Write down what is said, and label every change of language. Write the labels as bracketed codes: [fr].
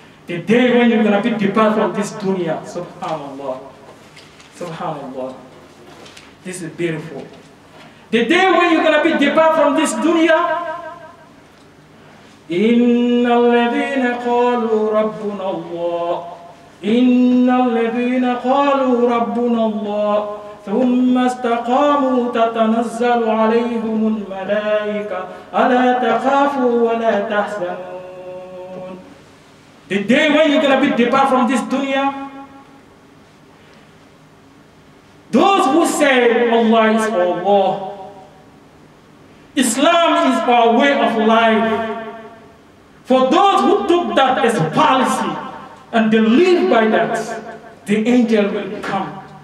[en] The day when you're going to be departed from this dunya, Subhanallah, Subhanallah, this is beautiful. The day when you're going to be departed from this dunya, [ar] Inna alladhina qalu rabbuna Allah. إن الذين قالوا ربنا الله ثم استقاموا تتنزل عليهم الملائكة ألا تخافوا ولا تحزنون. [en] The day when you're gonna be depart from this dunya, those who say Allah is our law, Islam is our way of life, for those who took that as a policy and they live by that, the angel will come.